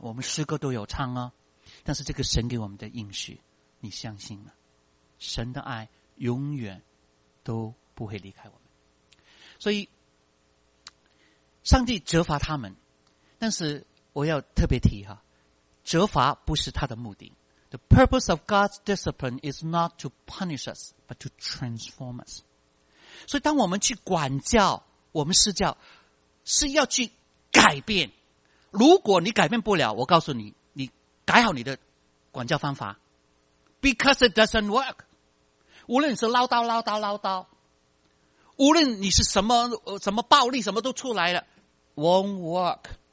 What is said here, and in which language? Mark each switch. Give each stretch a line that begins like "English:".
Chinese: 我们诗歌都有唱啊，但是这个神给我们的应许你相信吗？神的爱永远都不会离开我们。所以上帝责罚他们，但是我要特别提哈，责罚不是他的目的。
English: The purpose of God's discipline is not to punish us, but to transform us.
Chinese: 所以当我们去管教，我们施教，是要去改变。如果你改变不了，我告诉你，你改好你的管教方法。
English: Because it doesn't work.
Chinese: 无论你是唠叨唠叨唠叨，无论你是什么什么暴力什么都出来了，
English: won't work.